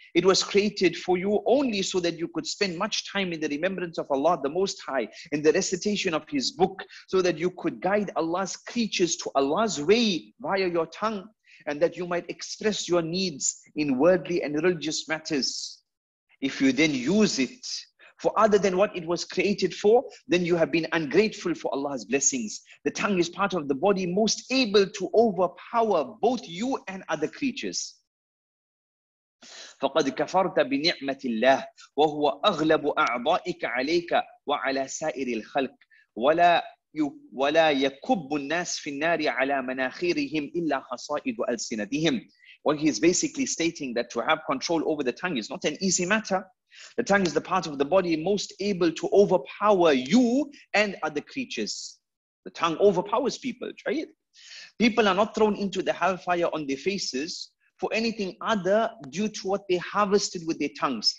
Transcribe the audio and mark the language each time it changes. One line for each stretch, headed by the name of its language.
English: It was created for you only so that you could spend much time in the remembrance of Allah the Most High, in the recitation of His book, so that you could guide Allah's creatures to Allah's way via your tongue, and that you might express your needs in worldly and religious matters. If you then use it for other than what it was created for, then you have been ungrateful for Allah's blessings. The tongue is part of the body most able to overpower both you and other creatures.
Arabic: فقد كفرت بنعمة الله وهو أغلب أعضائك عليك وعلى سائر الخلق ولا يكب الناس في النار على مناخيرهم إلا حصائد ألسنتهم.
English: What he is basically stating that to have control over the tongue is not an easy matter. The tongue is the part of the body most able to overpower you and other creatures. The tongue overpowers people, right? People are not thrown into the hellfire on their faces for anything other due to what they harvested with their tongues.